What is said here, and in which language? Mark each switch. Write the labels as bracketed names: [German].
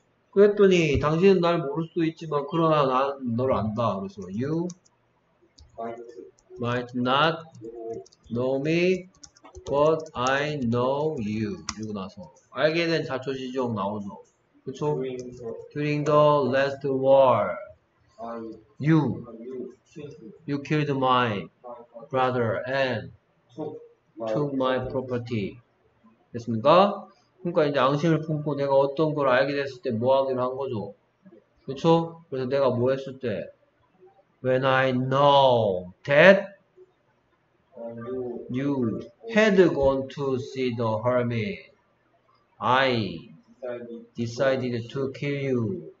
[Korean] 그랬더니 당신은 날 모를 수도 있지만 그러나 난 널 안다. 그래서 you [English] might not know me But I know you. [Korean] 이러고 나서 알게 된 자초지 종 나오죠. 그쵸? [English] During the last war, you killed my brother and took my property. [Korean] 됐습니까? 그러니까 이제 앙심을 품고 내가 어떤 걸 알게 됐을 때 뭐 하기로 한 거죠. 그쵸? 그래서 내가 뭐 했을 때 [English] When I know that you had gone to see the hermit, I decided to kill you.